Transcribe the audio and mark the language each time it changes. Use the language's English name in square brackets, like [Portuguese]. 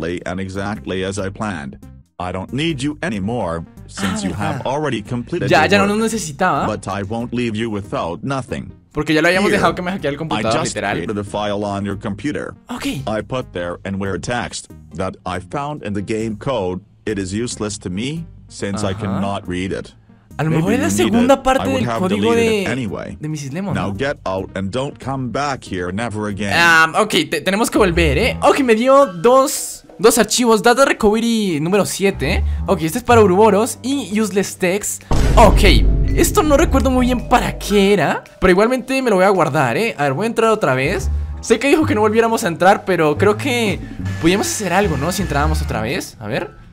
[English] And exactly as I planned. I don't need you anymore since you have already completed. [Spanish] Ya no nos necesitaba. [English] But I won't leave you without nothing. [Spanish] Porque ya lo habíamos dejado que me hackeara el computador, literal. [English] I just created a file on your computer. Okay. I put there and where text that I found in the game code. It is useless to me since I cannot read it. [Spanish] A lo mejor es la segunda parte del código de Mrs. Lemon. [English] Now get out and don't come back here never again. [Spanish] Tenemos que volver, Ok, me dio dos archivos, Data Recovery número 7. Ok, este es para Uroboros y Useless Text. Ok, esto no recuerdo muy bien para qué era, pero igualmente me lo voy a guardar, A ver, voy a entrar otra vez. Sé que dijo que no volviéramos a entrar, pero creo que podíamos hacer algo, ¿no? Si entrábamos otra vez, a ver.